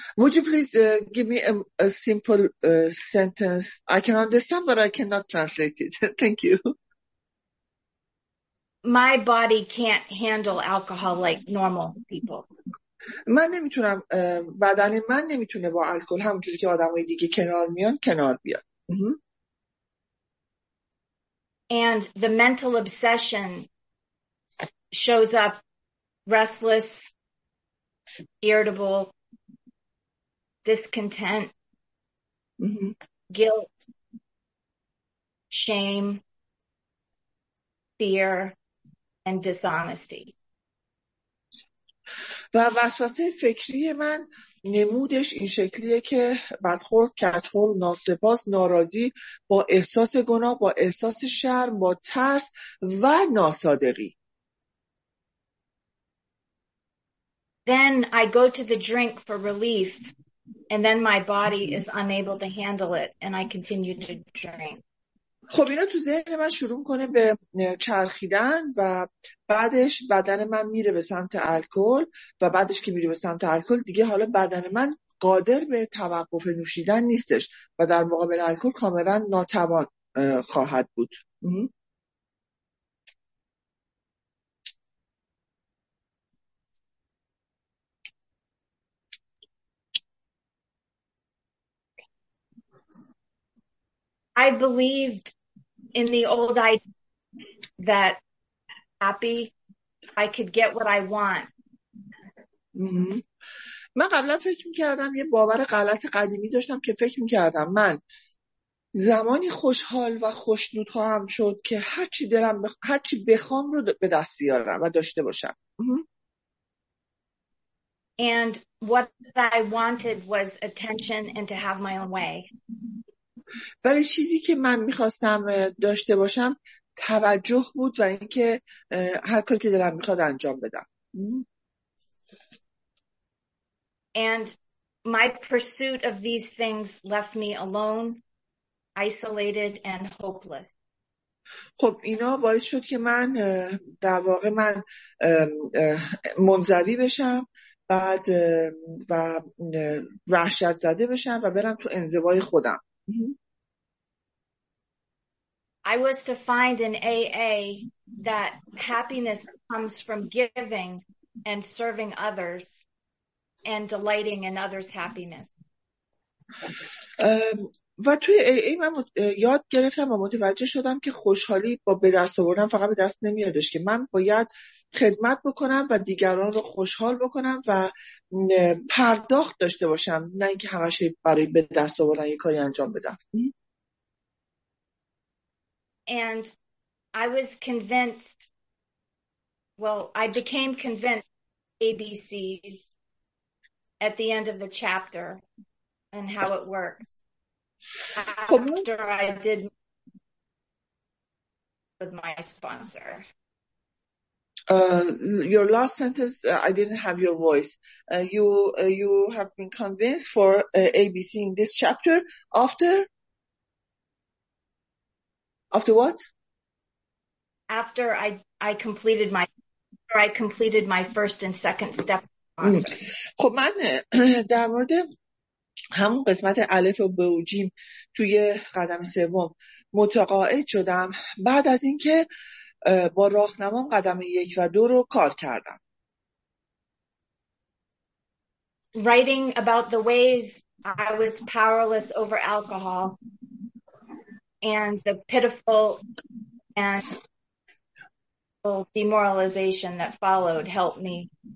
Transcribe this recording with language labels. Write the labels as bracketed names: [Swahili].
[English] Would you please give me a simple sentence? I can understand but I cannot translate it. Thank you. My body can't handle alcohol like normal people. [Persian] من نمیتونم بدن من نمیتونه با الکل همونجوری که آدمای دیگه کنار میان کنار بیاد. [English] And the mental obsession shows up restless, irritable, discontent, guilt, shame, fear, and dishonesty. [Persian] و وسوسه فکری من نمودش این شکلیه که بدخلق، کچخلق، ناسپاس، ناراضی، با احساس گناه، با احساس شرم، با ترس و ناصادقی. [English] Then I go to the drink for relief, and then my body is unable to handle it, and I continue to drink. [Persian] خب اینا تو ذهن من شروع کنه به چرخیدن و بعدش بدن من میره به سمت الکل و بعدش که میره به سمت الکل دیگه حالا بدن من قادر به توقف نوشیدن نیستش و در مقابل الکل کاملا ناتوان خواهد بود. [English] I believed in the old idea that happy, I could get what I want. [Persian] من قبلا فکر میکردم، یه باور غلط قدیمی داشتم که فکر میکردم من زمانی خوشحال و خوشنود خواهم شد که هرچی دلم هرچی بخوام رو به دست بیارم و داشته باشم. [English] And what I wanted was attention and to have my own way. [Persian] ولی چیزی که من میخواستم داشته باشم توجه بود و اینکه هر کاری که دلم میخواد انجام بدم. [English] And my pursuit of these things left me alone, isolated, and hopeless. [Persian] خب اینا باعث شد که من در واقع من منزوی بشم بعد و وحشت زده بشم و برم تو انزوای خودم. [English] I was to find an AA that happiness comes from giving and serving others. And delighting in others' happiness. [Persian] و توی AA من یاد گرفتم و متوجه شدم که خوشحالی با به دست آوردن فقط به دست نمیادش، که من باید خدمت بکنم و دیگران رو خوشحال بکنم و پرداخت داشته باشم، نه اینکه همش برای به دست آوردن یه کاری انجام بدم. [English] And I was convinced, well, I became convinced ABCs. At the end of the chapter and how it works after I did with my sponsor. Your last sentence, I didn't have your voice. You have been convinced for ABC in this chapter after what? After I completed my first and second step. [Persian] خب من در مورد همون قسمت الف و ب و جیم توی قدم سوم متقاعد شدم بعد از اینکه با راهنمام قدم یک و دو رو کار کردم. [English] Writing about the ways I was powerless over alcohol and the pitiful and demoralization that followed helped me.